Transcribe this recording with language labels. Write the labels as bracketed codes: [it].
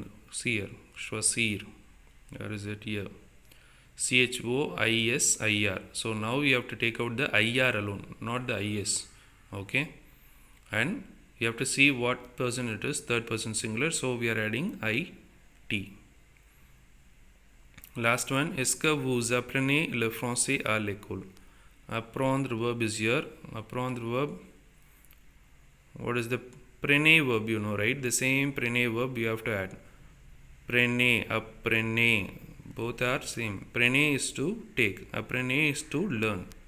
[en] See here, Shwasir, where is it here? C-H-O-I-S-I-R. So now you have to take out the IR alone, not the IS. Okay. And you have to see what person it is, third person singular. So we are adding I-T. [fr] Last one, est-ce que vous apprenez le français à l'école? [en] Apprendre verb is here. Apprendre verb, what is the prene verb, you know, right? The same prene verb you have to add. Prene, apprene, both are same. Prene is to take, apprene is to learn.